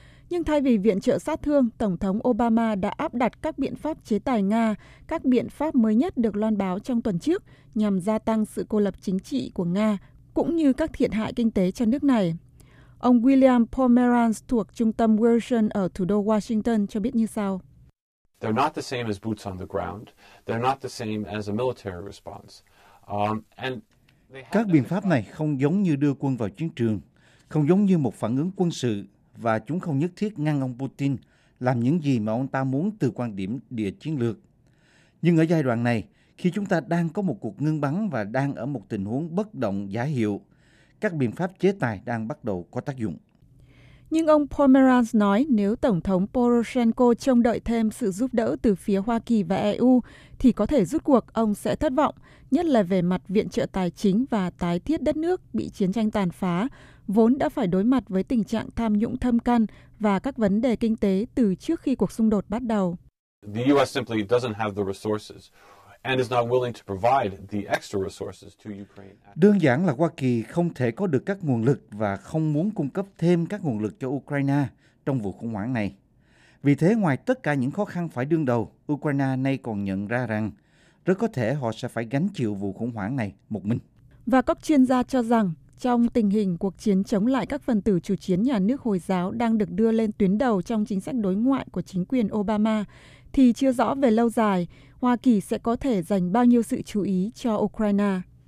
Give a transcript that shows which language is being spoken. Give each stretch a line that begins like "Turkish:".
Vietnamese: Nhưng thay vì viện trợ sát thương, Tổng thống Obama đã áp đặt các biện pháp chế tài Nga, các biện pháp mới nhất được loan báo trong tuần trước nhằm gia tăng sự cô lập chính trị của Nga, cũng như các thiệt hại kinh tế cho nước này. Ông William Pomeranz thuộc trung tâm Wilson ở thủ đô Washington cho biết như sau.
English: They're not the same as boots on the ground. They're not the same as a military response.
Vietnamese: Các biện pháp này không giống như đưa quân vào chiến trường, không giống như một phản ứng quân sự, và chúng không nhất thiết ngăn ông Putin làm những gì mà ông ta muốn từ quan điểm địa chiến lược. Nhưng ở giai đoạn này, khi chúng ta đang có một cuộc ngưng bắn và đang ở một tình huống bất động giả hiệu, các biện pháp chế tài đang bắt đầu có tác dụng. Nhưng ông Pomeranz nói nếu Tổng thống Poroshenko trông đợi thêm sự giúp đỡ từ phía Hoa Kỳ và EU thì có thể rút cuộc ông sẽ thất vọng, nhất là về mặt viện trợ tài chính và tái thiết đất nước bị chiến tranh tàn phá, vốn đã phải đối mặt với tình trạng tham nhũng thâm căn và các vấn đề kinh tế từ trước khi cuộc xung đột bắt đầu.
English: The US simply doesn't have the resources and is not willing to provide the extra resources to Ukraine.
Vietnamese: Đơn giản là Hoa Kỳ không thể có được các nguồn lực và không muốn cung cấp thêm các nguồn lực cho Ukraine trong vụ khủng hoảng này. Vì thế, ngoài tất cả những khó khăn phải đương đầu, Ukraine nay còn nhận ra rằng rất có thể họ sẽ phải gánh chịu vụ khủng hoảng này một mình. Và các chuyên gia cho rằng, trong tình hình cuộc chiến chống lại các phần tử chủ chiến nhà nước Hồi giáo đang được đưa lên tuyến đầu trong chính sách đối ngoại của chính quyền Obama, thì chưa rõ về lâu dài, Hoa Kỳ sẽ có thể dành bao nhiêu sự chú ý cho Ukraine.